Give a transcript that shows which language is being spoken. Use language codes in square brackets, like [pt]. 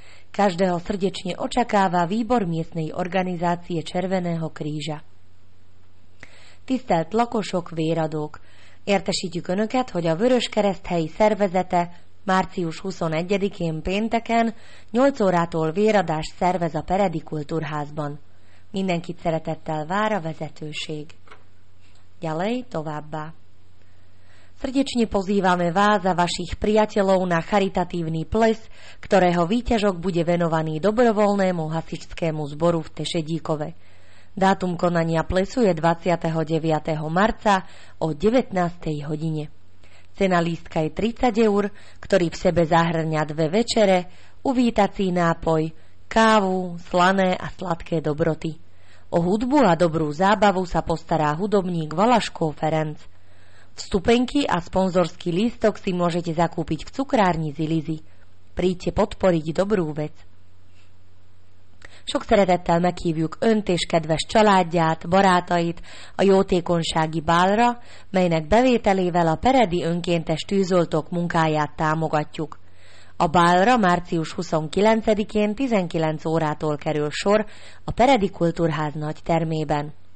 [sk] Každého srdečne očakáva výbor miestnej organizácie Červeného kríža. [hu] Tisztelt lakosok, véradók! Értesítjük önöket, hogy a Vörös Kereszt helyi szervezete március 21-én pénteken 8 órától véradást szervez a Peredi Kultúrházban. Mindenkit szeretettel vár a vezetőség. [sk] Ďalej [hu] továbbá. [sk] Srdečne pozývame vás a vašich priateľov na charitatívny ples, ktorého výťažok bude venovaný dobrovoľnému hasičskému zboru v Tešedíkove. Dátum konania plesu je 29. marca o 19. hodine. Cena lístka je 30 eur, ktorý v sebe zahŕňa dve večere, uvítací nápoj, kávu, slané a sladké dobroty. O hudbu a dobrú zábavu sa postará hudobník Valaško Ferenc. Vstupenky a sponzorský lístok si môžete zakúpiť v cukrárni Zilizi. Príďte podporiť dobrú vec. [hu] Sok szeretettel meghívjuk önt és kedves családját, barátait a jótékonysági bálra, melynek bevételével a Peredi önkéntes tűzoltók munkáját támogatjuk. A bálra március 29-én 19 órától kerül sor a Peredi Kultúrház nagy termében.